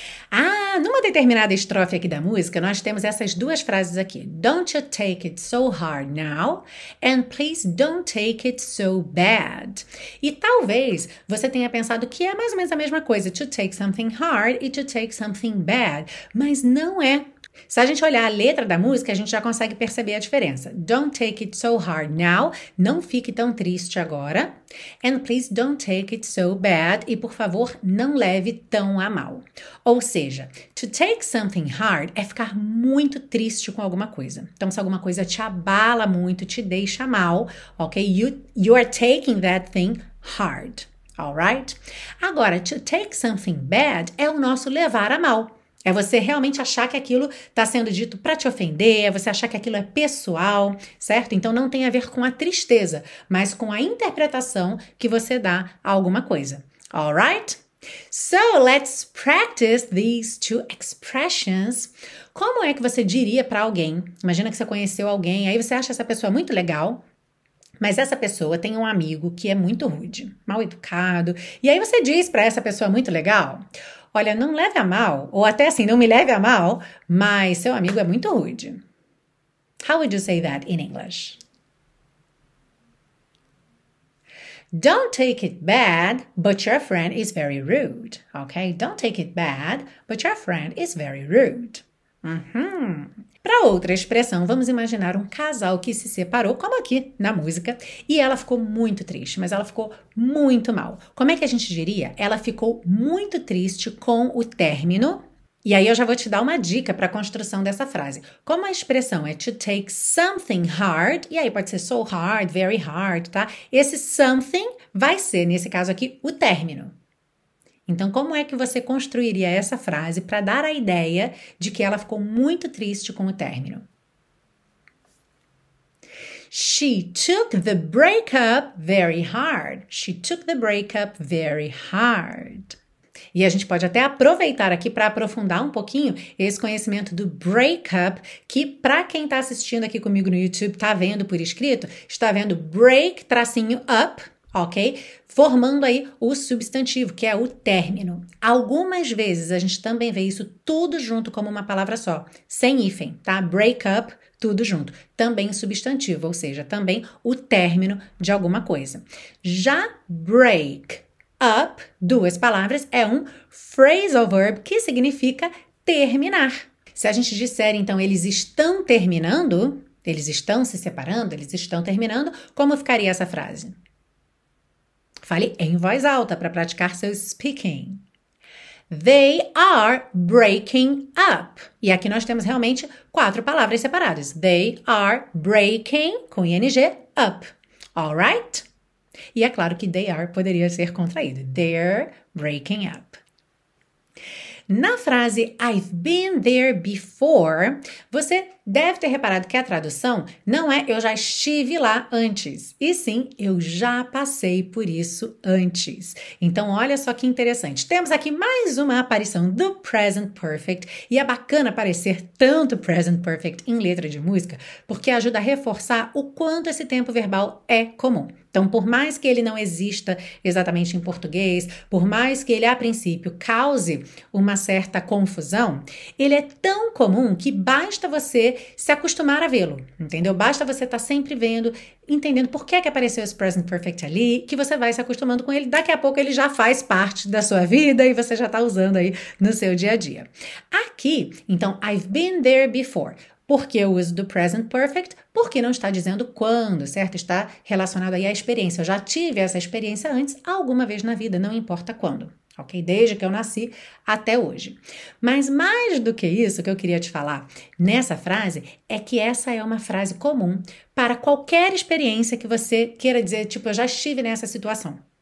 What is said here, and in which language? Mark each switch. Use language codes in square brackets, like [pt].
[pt] Ah, numa determinada estrofe aqui da música, nós temos essas duas frases aqui: [en] "Don't you take it so hard now" [pt] and [en] "Please don't take it so bad". [pt] E talvez você tenha pensado que é mais ou menos a mesma coisa, to take something hard e to take something bad, mas não é. Se a gente olhar a letra da música, a gente já consegue perceber a diferença. [en] Don't take it so hard now. [pt] Não fique tão triste agora. [en] And please don't take it so bad. [pt] E por favor, não leve tão a mal. Ou seja, to take something hard é ficar muito triste com alguma coisa. Então, se alguma coisa te abala muito, te deixa mal, ok? [en] You are taking that thing hard. All right? [pt] Agora, to take something bad é o nosso levar a mal. É você realmente achar que aquilo está sendo dito para te ofender, é você achar que aquilo é pessoal, certo? Então não tem a ver com a tristeza, mas com a interpretação que você dá a alguma coisa. [en] All right? So let's practice these two expressions. [pt] Como é que você diria para alguém? Imagina que você conheceu alguém, aí você acha essa pessoa muito legal, mas essa pessoa tem um amigo que é muito rude, mal educado, e aí você diz para essa pessoa muito legal: "Olha, não leve a mal", ou até assim, "não me leve a mal, mas seu amigo é muito rude". [en] How would you say that in English? Don't take it bad, but your friend is very rude. Okay? Don't take it bad, but your friend is very rude. [pt] Para outra expressão, vamos imaginar um casal que se separou, como aqui na música, e ela ficou muito triste, mas ela ficou muito mal. Como é que a gente diria? Ela ficou muito triste com o término. E aí eu já vou te dar uma dica para a construção dessa frase. Como a expressão é to take something hard, e aí pode ser so hard, very hard, tá? Esse something vai ser, nesse caso aqui, o término. Então, como é que você construiria essa frase para dar a ideia de que ela ficou muito triste com o término? [en] She took the breakup very hard. She took the breakup very hard. [pt] E a gente pode até aproveitar aqui para aprofundar um pouquinho esse conhecimento do breakup, que para quem está assistindo aqui comigo no YouTube, está vendo por escrito, está vendo break tracinho up. Ok? Formando aí o substantivo, que é o término. Algumas vezes a gente também vê isso tudo junto como uma palavra só, sem hífen, tá? Break up, tudo junto. Também substantivo, ou seja, também o término de alguma coisa. Já break up, duas palavras, é um phrasal verb que significa terminar. Se a gente disser, então, eles estão terminando, eles estão se separando, eles estão terminando, como ficaria essa frase? Fale em voz alta para praticar seu speaking. [en] They are breaking up. [pt] E aqui nós temos realmente quatro palavras separadas. [en] They are breaking, com ing, up. All right? [pt] E é claro que they are poderia ser contraído. [en] They're breaking up. [pt] Na frase [en] I've been there before, [pt] você deve ter reparado que a tradução não é eu já estive lá antes, e sim eu já passei por isso antes. Então, olha só que interessante. Temos aqui mais uma aparição do Present Perfect, e é bacana aparecer tanto Present Perfect em letra de música, porque ajuda a reforçar o quanto esse tempo verbal é comum. Então, por mais que ele não exista exatamente em português, por mais que ele a princípio cause uma certa confusão, ele é tão comum que basta você se acostumar a vê-lo, entendeu? Basta você estar sempre vendo, entendendo por que é que apareceu esse present perfect ali, que você vai se acostumando com ele. Daqui a pouco ele já faz parte da sua vida e você já está usando aí no seu dia a dia. Aqui, então, [en] I've been there before. [pt] Por que o uso do present perfect? Porque não está dizendo quando, certo? Está relacionado aí à experiência. Eu já tive essa experiência antes, alguma vez na vida, não importa quando. Ok? Desde que eu nasci até hoje. Mas mais do que isso que eu queria te falar nessa frase é que essa é uma frase comum para qualquer experiência que você queira dizer, tipo, eu já estive nessa situação.